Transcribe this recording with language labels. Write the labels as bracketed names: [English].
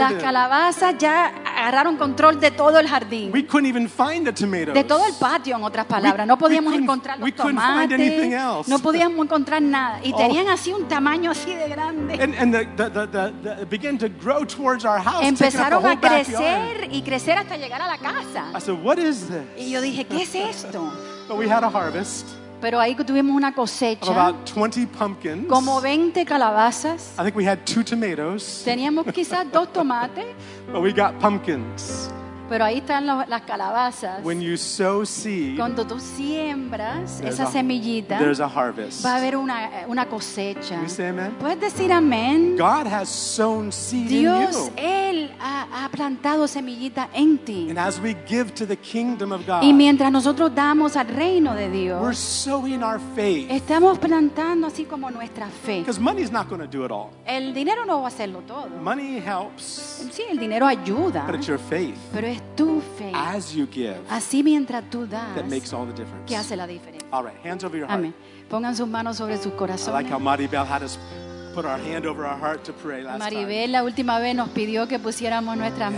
[Spanish] Las calabazas ya agarraron control de todo el jardín. [English] We couldn't even find the tomatoes. [Spanish] De todo el patio, en otras palabras. No podíamos encontrar los tomates. [English] We couldn't find anything else. [Spanish] No podíamos encontrar nada. Y tenían así un tamaño así de grande. [English] And it began to grow towards our house. [Spanish] Empezaron [English] taking up backyard. [Spanish] Y crecer hasta llegar a la casa. [English] I said, what is this? [Spanish] Y yo dije, ¿qué es esto? [English] But we had a harvest. [Spanish] Pero ahí tuvimos una cosecha. [English] About 20 pumpkins. [Spanish] Como 20 calabazas. [English] I think we had 2 tomatoes. [Spanish] Teníamos quizás 2 tomates. [English] But we got pumpkins. [Spanish] Pero ahí están las calabazas. [English] When you sow seed, [Spanish] cuando tú siembras esa semillita, [English] there's a harvest. [Spanish] Va a haber una cosecha. [English] Can you say amen? [Spanish] ¿Puedes decir amén? [English] God has sown seed [Spanish] Dios, [English] in you. [Spanish] Él ha plantado semillita en ti. [English] And as we give to the kingdom of God, [Spanish] y mientras nosotros damos al reino de Dios, [English] we're sowing our faith. [Spanish] Estamos plantando así como nuestra fe. [English] Because money's not going to do it all. [Spanish] El dinero no va a hacerlo todo. [English] Money helps. [Spanish] Sí, el dinero ayuda. [English] But it's your faith. [Spanish] Pero es tu fe. [English] As you give, [Spanish] así mientras tú das, [English] that makes all the difference. [Spanish] Que hace la diferencia. [English] All right, hands over your heart. [Spanish] Amen. Pongan sus manos sobre sus corazones. [English] I like how Maribel had us put our hand over our heart to pray last [Spanish] Maribel, [English] time. [Spanish] La última vez nos pidió que pusiéramos nuestras yes.